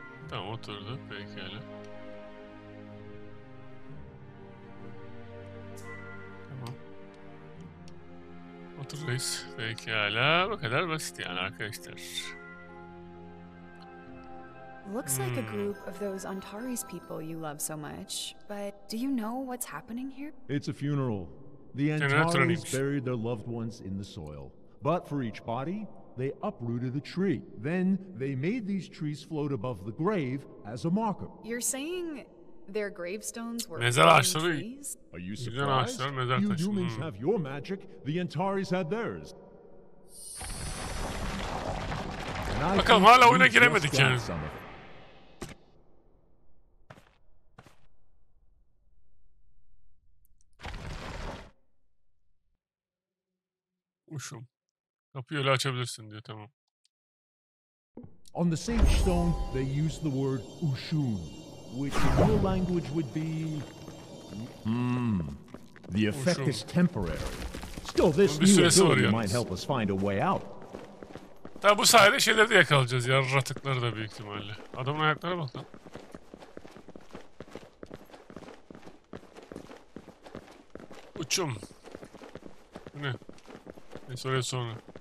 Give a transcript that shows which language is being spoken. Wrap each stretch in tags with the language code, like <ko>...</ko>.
<tr>Tamam, oturdu. Pekala. Tamam. Oturuyoruz. Pekala. Bu kadar basit yani arkadaşlar.</tr> <en>Looks like a group of those Antares people you love so much, but do you know what's happening here? It's a funeral. The Antares buried their loved ones in the soil. But for each body, they uprooted the tree. Then they made these trees float above the grave as a marker. You're saying their gravestones were trees? Are you surprised? You humans have your magic, the Antares had theirs.</en> <tr>Bakalım hala oyuna giremedik yani. Uşum. Kapıyı öyle açabilirsin diye, tamam.</tr> <en>On the same stone they use the word Ushun, which in your language would be the effect is temporary. Still this new ability might help us find a way out.</en> <tr>Tabi bu sayede şeyleri de yakalayacağız, yaratıkları da büyük ihtimalle. Adamın ayaklarına bak lan. Uçum. Bu ne? Neyse oraya sonra.</tr>